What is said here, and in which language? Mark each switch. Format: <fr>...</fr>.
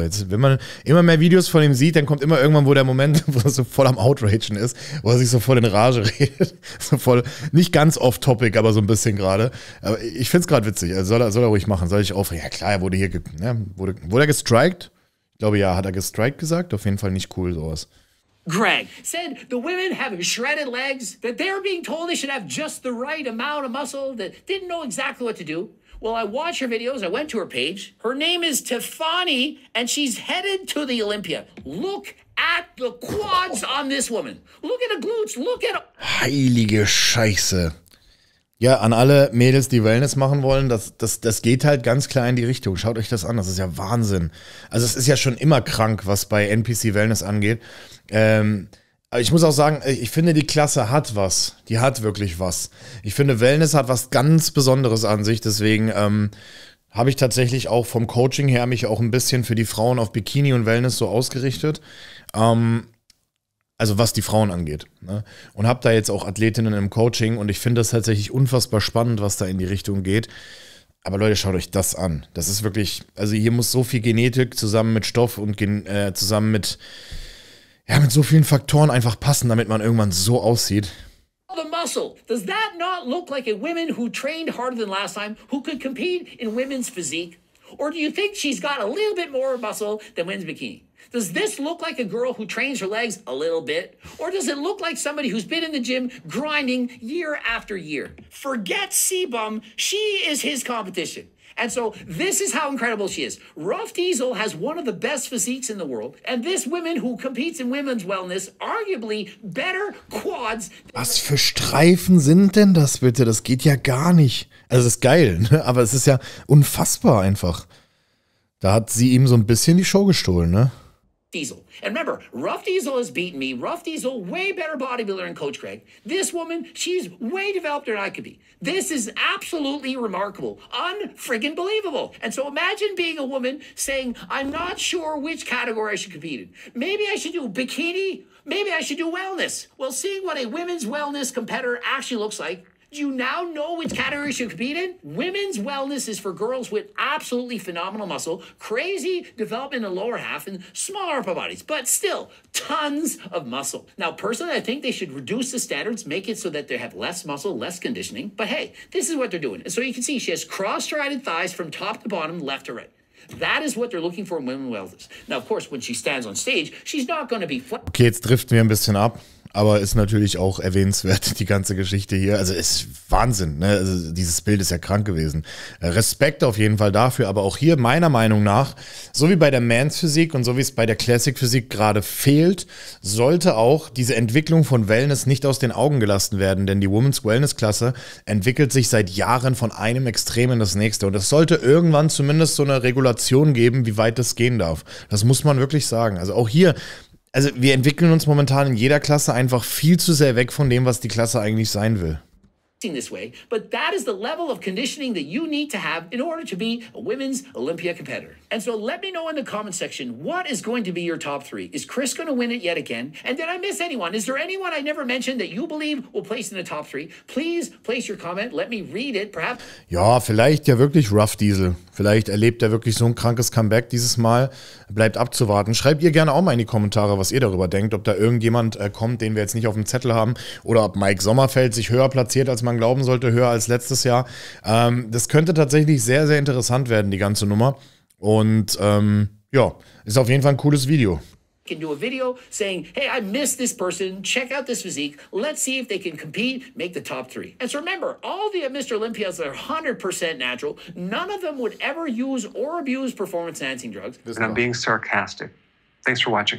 <de>Jetzt, wenn man immer mehr Videos von ihm sieht, dann kommt immer irgendwann, wo der Moment, wo er so voll am Outragen ist, wo er sich so voll in Rage redet. So voll, nicht ganz off-topic, aber so ein bisschen gerade. Aber ich find's gerade witzig. Also soll er ruhig machen, soll ich aufregen? Ja klar, er wurde hier, wurde er gestrikt? Ich glaube ja, hat er gestrikt gesagt? Auf jeden Fall nicht cool sowas.</de> <en>Greg said the women have shredded legs, that they're being told they should have just the right amount of muscle, that didn't know exactly what to do. Well, I watched her videos. I went to her page. Her name is Tiffani, and she's headed to the Olympia. Look at the quads on this woman. Look at the glutes. Look at...</en> <de>Heilige Scheiße. Ja, an alle Mädels, die Wellness machen wollen, das geht halt ganz klar in die Richtung. Schaut euch das an, das ist ja Wahnsinn. Also es ist ja schon immer krank, was bei NPC Wellness angeht. Ich muss auch sagen, ich finde, die Klasse hat was. Die hat wirklich was. Ich finde, Wellness hat was ganz Besonderes an sich. Deswegen habe ich tatsächlich auch vom Coaching her mich auch ein bisschen für die Frauen auf Bikini und Wellness so ausgerichtet. Also was die Frauen angeht, ne? Und habe da jetzt auch Athletinnen im Coaching und ich finde das tatsächlich unfassbar spannend, was da in die Richtung geht. Aber Leute, schaut euch das an. Das ist wirklich, also hier muss so viel Genetik zusammen mit Stoff und zusammen mit, ja, mit so vielen Faktoren einfach passen, damit man irgendwann so aussieht.</de> <en>The muscle, does that not look like a woman who trained harder than last time, who could compete in women's physique? Or do you think she's got a little bit more muscle than women's bikini? Does this look like a girl who trains her legs a little bit? Or does it look like somebody who's been in the gym grinding year after year? Forget Sebum, she is his competition. And so this is how incredible she is. Rough Diesel has one of the best physiques in the world. And this woman who competes in women's wellness, arguably better quads.</en> <de>Was für Streifen sind denn das bitte? Das geht ja gar nicht. Also es ist geil, ne? Aber es ist ja unfassbar einfach. Da hat sie ihm so ein bisschen die Show gestohlen, ne? Diesel.</de> <en>And remember, Rough Diesel has beaten me. Rough Diesel, way better bodybuilder than Coach Craig. This woman, she's way developed than I could be. This is absolutely remarkable. Unfriggin' believable. And so imagine being a woman saying, I'm not sure which category I should compete in. Maybe I should do bikini. Maybe I should do wellness. Well, seeing what a women's wellness competitor actually looks like, do you now know which category you compete in? Women's wellness is for girls with absolutely phenomenal muscle, crazy development in the lower half, and smaller upper bodies, but still tons of muscle. Now, personally, I think they should reduce the standards, make it so that they have less muscle, less conditioning. But hey, this is what they're doing. So you can see she has cross-strided thighs from top to bottom, left to right. That is what they're looking for in women's wellness. Now, of course, when she stands on stage, she's not going to be flat.</en> <de>Okay, jetzt driften wir ein bisschen ab. Aber ist natürlich auch erwähnenswert, die ganze Geschichte hier. Also ist Wahnsinn, ne? Also dieses Bild ist ja krank gewesen. Respekt auf jeden Fall dafür, aber auch hier meiner Meinung nach, so wie bei der Men's Physik und so wie es bei der Classic Physik gerade fehlt, sollte auch diese Entwicklung von Wellness nicht aus den Augen gelassen werden, denn die Women's Wellness Klasse entwickelt sich seit Jahren von einem Extrem in das nächste und es sollte irgendwann zumindest so eine Regulation geben, wie weit das gehen darf. Das muss man wirklich sagen. Also auch hier, also wir entwickeln uns momentan in jeder Klasse einfach viel zu sehr weg von dem, was die Klasse eigentlich sein will.</de> <en>This way, but that is the level of conditioning that you need to have in order to be a women's Olympia competitor. And so let me know in the comment section, what is going to be your top three? Is Chris going to win it yet again? And did I miss anyone? Is there anyone I never mentioned that you believe will place in the top three? Please place your comment. Let me read it. Perhaps.</en> <de>Ja, vielleicht ja wirklich Rough Diesel. Vielleicht erlebt er wirklich so ein krankes Comeback dieses Mal. Bleibt abzuwarten. Schreibt ihr gerne auch mal in die Kommentare, was ihr darüber denkt. Ob da irgendjemand kommt, den wir jetzt nicht auf dem Zettel haben. Oder ob Mike Sommerfeld sich höher platziert, als man glauben sollte, höher als letztes Jahr. Das könnte tatsächlich sehr, sehr interessant werden, die ganze Nummer. Und ja, ist auf jeden Fall ein cooles Video.</de> <en>Can do a video saying, hey, I miss this person, check out this physique, let's see if they can compete, make the top three. And so remember, all the Mr. Olympias are 100% natural, none of them would ever use or abuse performance enhancing drugs. And I'm being sarcastic. Thanks for watching.</en>